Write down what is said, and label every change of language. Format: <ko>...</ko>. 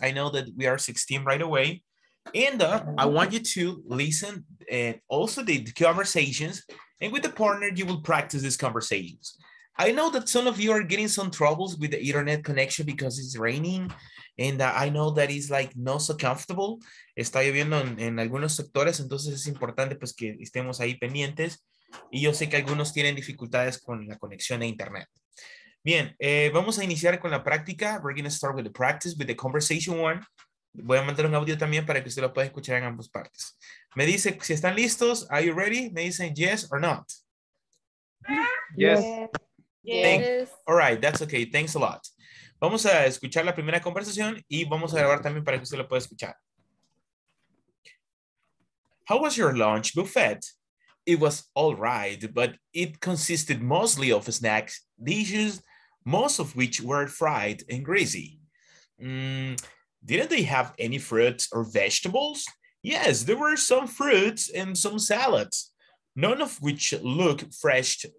<en>I know that we are 16 right away. And I want you to listen and also the conversations. And with the partner, you will practice these conversations. I know that some of you are getting some troubles with the internet connection because it's raining. And I know that it's like not so comfortable.</en> <es>Está lloviendo en algunos sectores, entonces es importante pues que estemos ahí pendientes. Y yo sé que algunos tienen dificultades con la conexión a internet. Bien, vamos a iniciar con la práctica.</es> <en>We're going to start with the practice, with the conversation one.</en> <es>Voy a mandar un audio también para que usted lo pueda escuchar en ambas partes. Me dice, si están listos,</es> <en>are you ready?</en> <es>Me dicen</es> <en>yes or not. Yes. Yes. All right, that's okay. Thanks a lot.</en> <es>Vamos a escuchar la primera conversación y vamos a grabar también para que usted lo pueda escuchar.</es> <en>How was your lunch buffet? It was all right, but it consisted mostly of snacks, dishes, most of which were fried and greasy. Didn't they have any fruits or vegetables? Yes, there were some fruits and some salads, none of which look fresh.</en>